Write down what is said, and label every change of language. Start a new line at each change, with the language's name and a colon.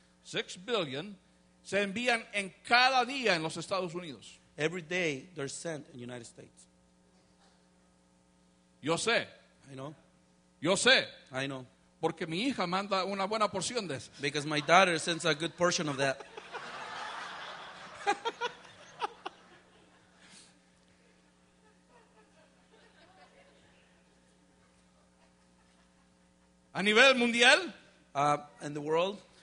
Spanish: 6 billion se envían en cada día en los Estados Unidos.
English: Every day they're sent in the United States.
Spanish: Yo sé.
English: I know.
Spanish: Yo sé.
English: I know.
Spanish: Porque mi hija manda una buena porción de eso.
English: Because my daughter sends a good portion of that.
Spanish: A nivel mundial,
English: in the world,